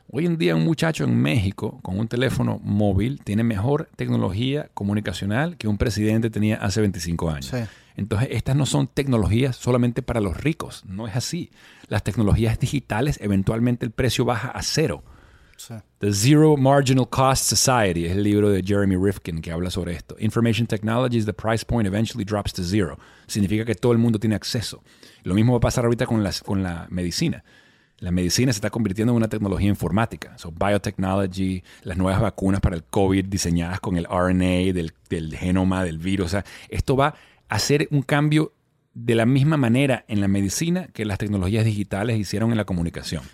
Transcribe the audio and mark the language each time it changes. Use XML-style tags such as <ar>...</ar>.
<es>Hoy en día un muchacho en México con un teléfono móvil tiene mejor tecnología comunicacional que un presidente tenía hace 25 años. Sí. Entonces, estas no son tecnologías solamente para los ricos. No es así. Las tecnologías digitales, eventualmente el precio baja a cero. Sí. The Zero Marginal Cost Society es el libro de Jeremy Rifkin que habla sobre esto.</es> <en>Information technology is the price point eventually drops to zero.</en> <es>Significa que todo el mundo tiene acceso. Lo mismo va a pasar ahorita con la medicina. La medicina se está convirtiendo en una tecnología informática. So, biotechnology, las nuevas vacunas para el COVID diseñadas con el RNA del genoma, del virus. O sea, esto va a hacer un cambio de la misma manera en la medicina que las tecnologías digitales hicieron en la comunicación.</es>